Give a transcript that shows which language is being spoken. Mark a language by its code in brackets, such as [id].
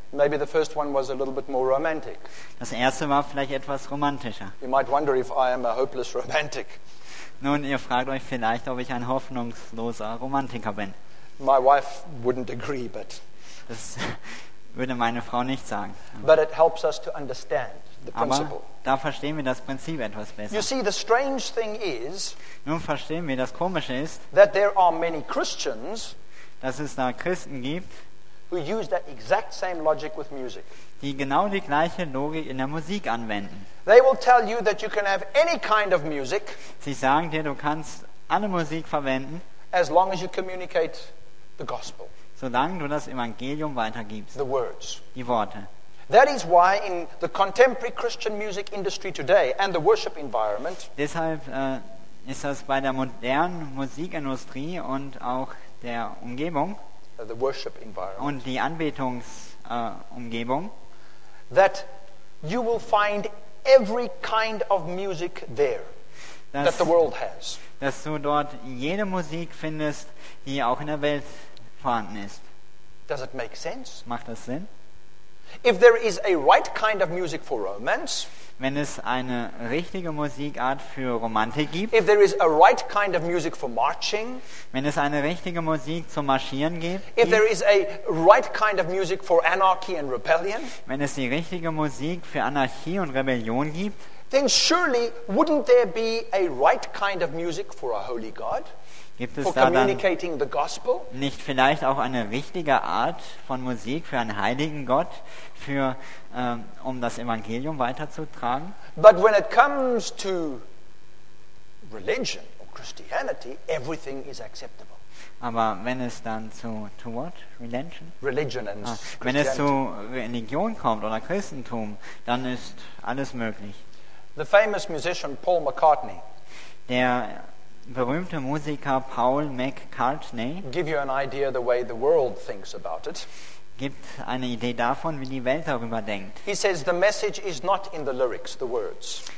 [en] Maybe the first one was a little bit more romantic. [de] Das erste war vielleicht etwas romantischer. [en] You might wonder if I am a hopeless romantic. [de] Nun, ihr fragt euch vielleicht, ob ich ein hoffnungsloser Romantiker bin. [en] My wife wouldn't agree, but. [de] Das würde meine Frau nicht sagen. [en] But it helps us to understand the principle. [de] Aber da verstehen wir das Prinzip etwas besser. [en] You see, the strange thing is, [de] nun verstehen wir, das Komische ist, [en] that there are many Christians, [de] dass es da Christen gibt, [en] who use that exact same logic with music. [de] Die genau die gleiche Logik in der Musik anwenden. [en] They will tell you that you can have any kind of music. [de] Sie sagen dir, du kannst alle Musik verwenden, [en] as long as you communicate the gospel. [de] Solange du das Evangelium weitergibst. [en] The words. [de] Die Worte. [en] That is why in the contemporary Christian music industry today and the worship environment. [de] Deshalb ist das bei der modernen Musikindustrie und auch der Umgebung. [en] The worship environment. [de] Und die Anbetungsumgebung. [en] That you will find every kind of music there that the world has. [de] Dass du dort jede Musik findest, die auch in der Welt vorhanden ist. [en] Does it make sense? [de] Macht das Sinn? [en] If there is a right kind of music for romance, [de] wenn es eine richtige Musikart für Romantik gibt, [en] if there is a right kind of music for marching, [de] wenn es eine richtige Musik zum Marschieren gibt, [en] if there is a right kind of music for anarchy and rebellion, [de] wenn es die richtige Musik für Anarchie und Rebellion gibt, [en] then surely wouldn't there be a right kind of music for a holy God? [de] Gibt es [en] for [de] da [en] communicating the gospel? [de] Nicht vielleicht auch eine richtige Art von Musik für einen heiligen Gott, für um das Evangelium weiterzutragen? [en] But when it comes to religion or Christianity, everything is acceptable. [de] Aber wenn es dann zu what? Religion? [en] Religion and [de] wenn es zu Religion kommt oder Christentum, dann ist alles möglich. [en] The famous musician Paul McCartney. [de] Der berühmte Musiker Paul McCartney. [en] Give you an idea the way the world thinks about it. [de] Gibt eine Idee davon, wie die Welt darüber denkt. [en] He says the message is not in the lyrics, the words.